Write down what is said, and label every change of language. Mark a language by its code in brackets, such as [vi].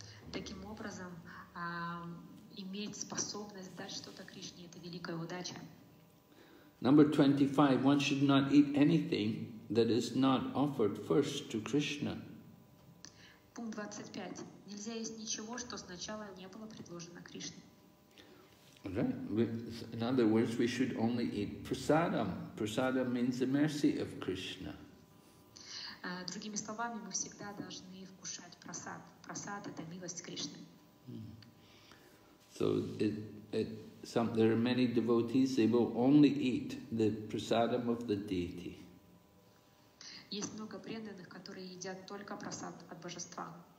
[ru] Таким образом, иметь способность дать что-то Кришне — это великая удача. [en] Number 25. One should not eat anything that is not offered first to Krishna. [ru] Пункт 25. Нельзя есть ничего, что сначала не было предложено Кришне. [en] Right. In other words, we should only eat prasadam. Prasadam means the mercy of Krishna. [ru] Другими словами, мы всегда должны вкушать прасад. Прасад — это милость Кришны. [en] So there are many devotees, they will only eat the prasadam of the deity. [ru] Есть много преданных, которые едят только прасад от божества.